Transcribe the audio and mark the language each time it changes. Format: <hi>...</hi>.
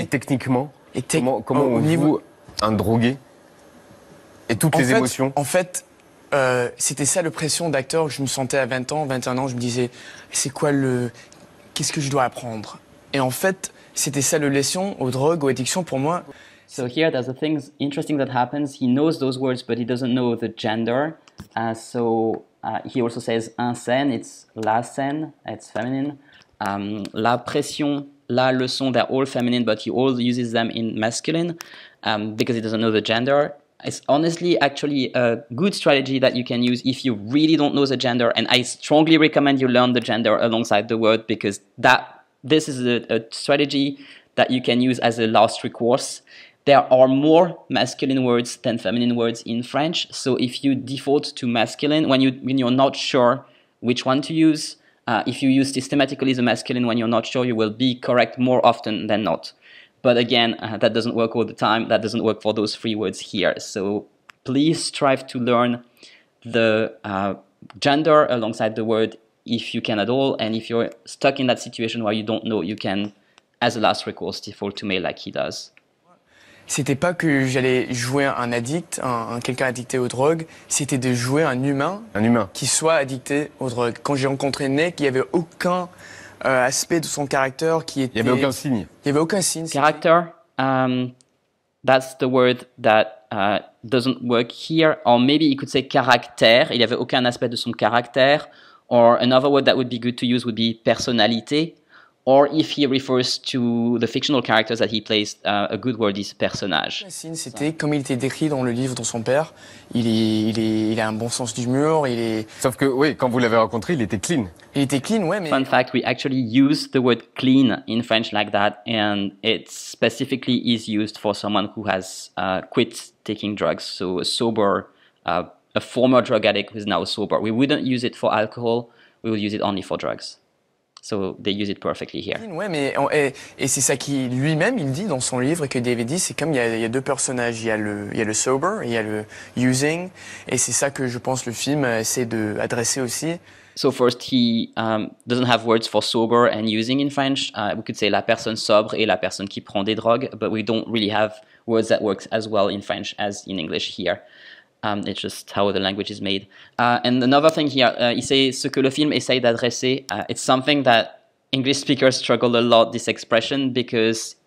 <fr>Et techniquement, comment on joue un drogué et toutes les émotions? En fait, c'était ça la pression d'acteur. Je me sentais à 20 ans, 21 ans, je me disais, c'est quoi le... Qu'est-ce que je dois apprendre? Et en fait, c'était ça la leçon aux drogues, aux addictions pour moi.</fr> <en>So here, there's a thing interesting that happens. He knows those words, but he doesn't know the gender. He also says un scène, it's la scène, it's feminine. La pression, la leçon, they're all feminine, but he always uses them in masculine because he doesn't know the gender. It's honestly actually a good strategy that you can use if you really don't know the gender. And I strongly recommend you learn the gender alongside the word because this is a strategy that you can use as a last recourse. There are more masculine words than feminine words in French. So if you default to masculine, when you're not sure which one to use, if you use systematically the masculine when you're not sure, you will be correct more often than not. But again, that doesn't work all the time. That doesn't work for those three words here. So please strive to learn the gender alongside the word if you can at all. And if you're stuck in that situation where you don't know, you can, as a last recourse, default to male like he does.</en> <fr>C'était pas que j'allais jouer un addict, quelqu'un addicté aux drogues, c'était de jouer un humain qui soit addicté aux drogues. Quand j'ai rencontré Nick, il y avait aucun aspect de son caractère qui était... Il y avait aucun signe. Il y avait aucun signe.</fr> <en>Character, that's the word that doesn't work here. Or maybe you could say caractère,</en> <fr>il y avait aucun aspect de son caractère.</fr> <en>Or another word that would be good to use would be personnalité. Or if he refers to the fictional characters that he plays, a good word is personnage.</en> <fr>C'était comme il était décrit dans le livre dans son père. Il a un bon sens d'humour. Sauf que oui, quand vous l'avez rencontré, il était clean. Il était clean, ouais. Mais...</fr> <en>Fun fact: we actually use the word clean in French like that, and it specifically is used for someone who has quit taking drugs, so a sober, a former drug addict who is now sober. We wouldn't use it for alcohol. We would use it only for drugs. So they use it perfectly here.</en> <fr>Ouais, mais et c'est ça qui lui-même il dit dans son livre et que David dit, c'est comme il y a deux personnages, il y a le sober, il y a le using, et c'est ça que je pense le film essaie de adresser aussi.</fr> <en>So first he doesn't have words for sober and using in French. We could say</en> <fr>la personne sobre et la personne qui prend des drogues,</fr> <en>but we don't really have words that work as well in French as in English here. It's just how the language is made. And another thing here, he says,</en> <fr>ce que le film essaye d'adresser,</fr> <en>it's something that English speakers struggle a lot, this expression, because</en>